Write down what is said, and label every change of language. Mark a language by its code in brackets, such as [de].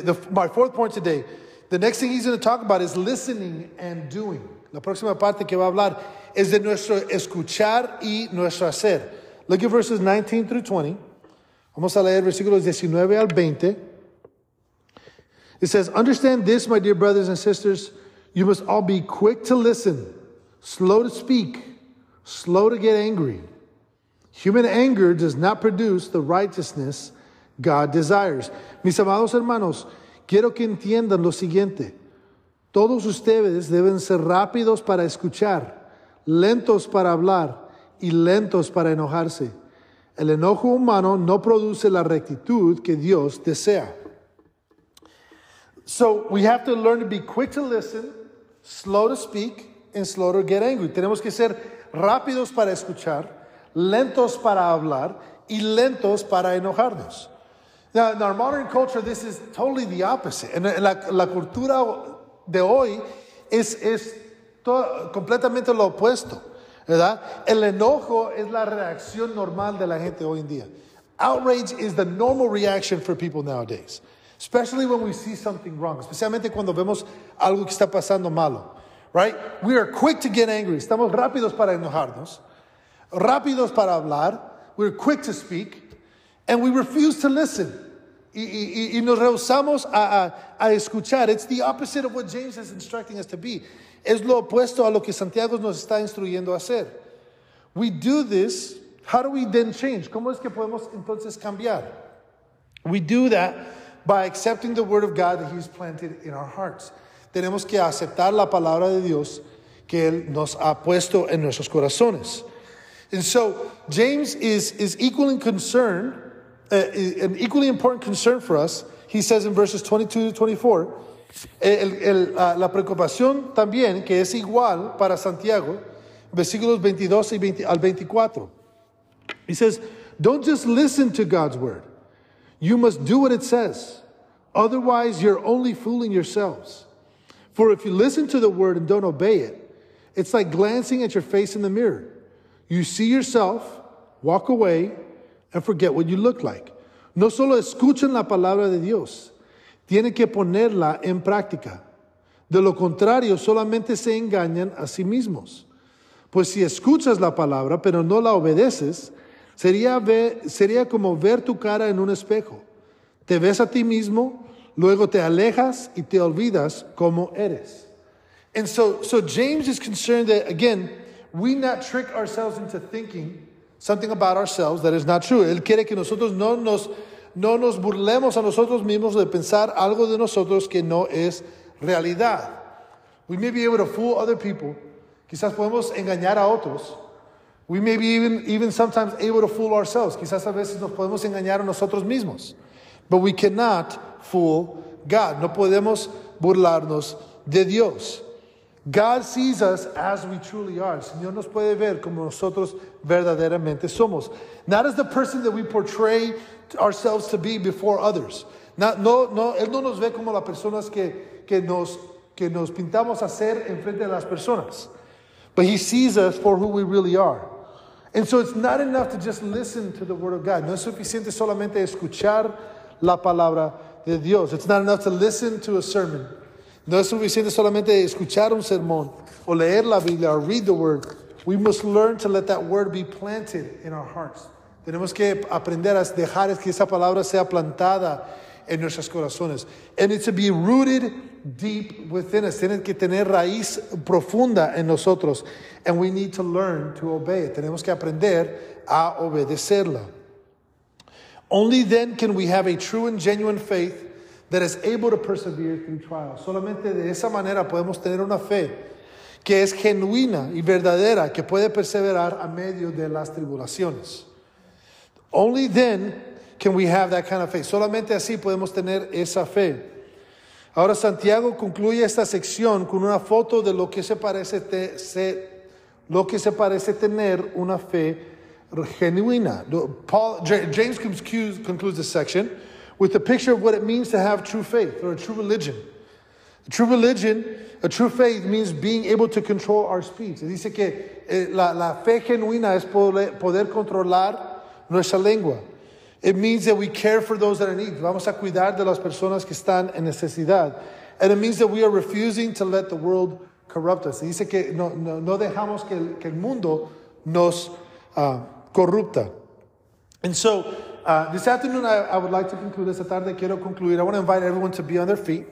[en] My fourth point today, the next thing he's going to talk about is listening and doing. [es] La próxima parte que va a hablar es de nuestro escuchar y nuestro hacer. [en] Look at verses 19 through 20. [es] Vamos a leer versículos 19 al 20. [en] It says, understand this, my dear brothers and sisters. You must all be quick to listen, slow to speak, slow to get angry. Human anger does not produce the righteousness God desires. [es] Mis amados hermanos, quiero que entiendan lo siguiente. Todos ustedes deben ser rápidos para escuchar, lentos para hablar y lentos para enojarse. El enojo humano no produce la rectitud que Dios desea. [en] So we have to learn to be quick to listen, slow to speak, and slow to get angry. [es] Tenemos que ser rápidos para escuchar, lentos para hablar, y lentos para enojarnos. [en] Now, in our modern culture, this is totally the opposite. [es] En la cultura de hoy es completamente lo opuesto, ¿verdad? El enojo es la reacción normal de la gente hoy en día. [en] Outrage is the normal reaction for people nowadays. Especially when we see something wrong. [es] Especialmente cuando vemos algo que está pasando malo. [en] Right? We are quick to get angry. [es] Estamos rápidos para enojarnos. Rápidos para hablar. [en] We're quick to speak. And we refuse to listen. [es] Y nos rehusamos a escuchar. [en] It's the opposite of what James is instructing us to be. [es] Es lo opuesto a lo que Santiago nos está instruyendo a hacer. [en] We do this. How do we then change? [es] ¿Cómo es que podemos entonces cambiar? [en] We do that by accepting the word of God that he's planted in our hearts. [es] Tenemos que aceptar la palabra de Dios que Él nos ha puesto en nuestros corazones. [en] And so James is equally concerned, an equally important concern for us. He says in verses 22 to 24, [es] la preocupación también que es igual para Santiago, versículos 22 y 20, al 24. [en] He says, don't just listen to God's word. You must do what it says. Otherwise, you're only fooling yourselves. For if you listen to the word and don't obey it, it's like glancing at your face in the mirror. You see yourself, walk away, and forget what you look like. [es] No solo escuchen la palabra de Dios. Tienen que ponerla en práctica. De lo contrario, solamente se engañan a sí mismos. Pues si escuchas la palabra, pero no la obedeces, sería como ver tu cara en un espejo. Te ves a ti mismo, luego te alejas y te olvidas cómo eres. [en] And so James is concerned that, again, we not trick ourselves into thinking something about ourselves that is not true. [es] Él quiere que nosotros no nos burlemos a nosotros mismos de pensar algo de nosotros que no es realidad. [en] We may be able to fool other people. [es] Quizás podemos engañar a otros. [en] We may be even sometimes able to fool ourselves. [es] Quizás a veces nos podemos engañar a nosotros mismos. [en] But we cannot fool God. [es] No podemos burlarnos de Dios. [en] God sees us as we truly are. [es] El Señor nos puede ver como nosotros verdaderamente somos. [en] Not as the person that we portray ourselves to be before others. [es] No, Él no nos ve como las personas que nos pintamos a ser en frente de las personas. [en] But He sees us for who we really are. And so it's not enough to just listen to the Word of God. [es] No es suficiente solamente escuchar la palabra de Dios. [en] It's not enough to listen to a sermon. [es] No es suficiente solamente escuchar un sermón o leer la Biblia [en] or read the word. We must learn to let that word be planted in our hearts. [es] Tenemos que aprender a dejar que esa palabra sea plantada en nuestros corazones. [en] And it's to be rooted deep within us. [es] Tiene que tener raíz profunda en nosotros. [en] And we need to learn to obey it. [es] Tenemos que aprender a obedecerla. [en] Only then can we have a true and genuine faith that is able to persevere through trials. [es] Solamente de esa manera podemos tener una fe que es genuina y verdadera, que puede perseverar a medio de las tribulaciones. [en] Only then can we have that kind of faith. [es] Solamente así podemos tener esa fe. Ahora Santiago concluye esta sección con una foto de lo que se parece tener una fe genuina. [en] James concludes this section with a picture of what it means to have true faith or a true religion. A true faith means being able to control our speech. [es] It dice que la fe genuina es poder controlar nuestra lengua. [en] It means that we care for those that are in need. [es] Vamos a cuidar de las personas que están en necesidad. [en] And it means that we are refusing to let the world corrupt us. [es] It dice que no dejamos que el mundo nos corrupta. [en] And so, this afternoon, I would like to conclude. [es] Esta tarde quiero concluir. [en] I want to invite everyone to be on their feet.